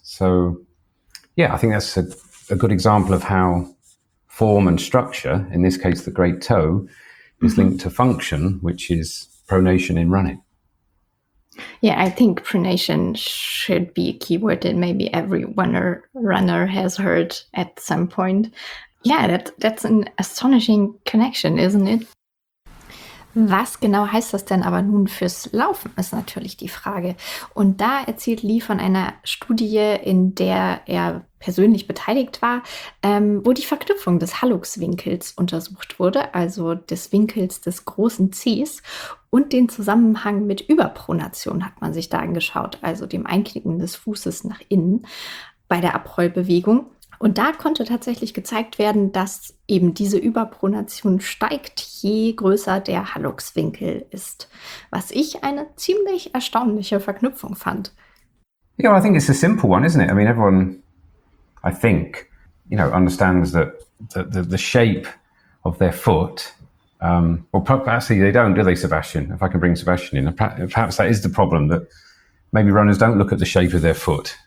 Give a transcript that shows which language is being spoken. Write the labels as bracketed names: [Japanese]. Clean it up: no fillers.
[English] So, yeah, I think that's a good example of how form and structure, in this case, the great toe, is linked to function, which is pronation in running. Yeah, I think pronation should be a keyword that maybe every runner has heard at some point. Yeah, that's an astonishing connection, isn't it? [German] Was genau heißt das denn aber nun fürs Laufen, ist natürlich die Frage. Und da erzählt Lee von einer Studie, in der er persönlich beteiligt war, wo die Verknüpfung des Hallux-Winkels untersucht wurde, also des Winkels des großen Zehs, und den Zusammenhang mit Überpronation hat man sich da angeschaut, also dem Einknicken des Fußes nach innen bei der Abrollbewegung. Und da konnte tatsächlich gezeigt werden, dass eben diese Überpronation steigt, je größer der Halluxwinkel ist. Was ich eine ziemlich erstaunliche Verknüpfung fand. [English] Yeah, well, I think it's a simple one, isn't it? I mean, everyone, I think, you know, understands that the shape of their foot, actually they don't, do they, Sebastian? If I can bring Sebastian in, perhaps that is the problem, that maybe runners don't look at the shape of their foot.